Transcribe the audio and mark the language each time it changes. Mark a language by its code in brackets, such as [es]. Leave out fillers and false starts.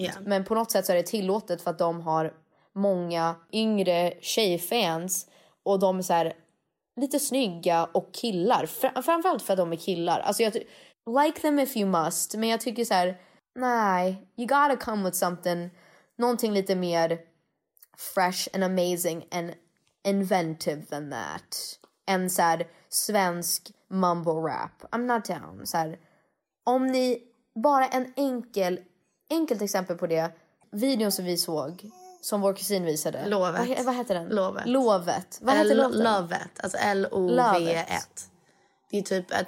[en] Yeah. [sv] Men på något sätt så är det tillåtet för att de har många yngre tjejfans och de är så här lite snygga och killar. Framförallt för att de är killar. Alltså jag [en] like them if you must. [sv] Men jag tycker så här, nej. [en] You gotta come with something. [sv] Någonting lite mer [en] fresh and amazing and inventive than that. [sv] En så här svensk mumble rap. [en] I'm not down. [sv] Så här, om ni, bara en enkelt exempel på det. Videon som vi såg. Som vår kusin visade. Lovet. Vad heter den? Lovet. Vad heter låten? Lovet. Alltså L-O-V-E-T. Det är typ att...